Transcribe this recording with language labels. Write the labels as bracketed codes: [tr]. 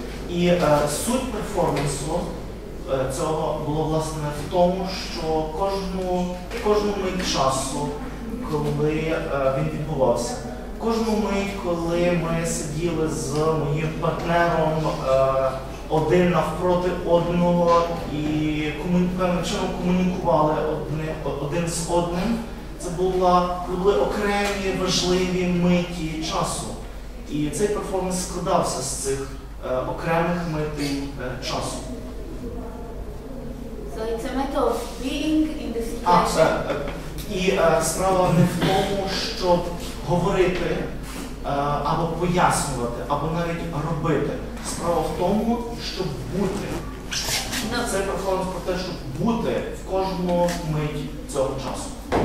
[uk] І суть перформансу цього було, власне, в тому, що кожну мить часу, коли він відбувався, кожну мить, коли ми сиділи з моїм партнером один навпроти одного і певним чином комунікували один з одним. Це були окремі важливі миті часу. І цей перформанс складався з цих окремих митей часу. [en] So it's a matter of being in the situation. [uk] А, і справа не в тому, щоб говорити або пояснювати, або навіть робити. Справа в тому, щоб бути. No. Це перформанс про те, щоб бути в кожну мить цього часу.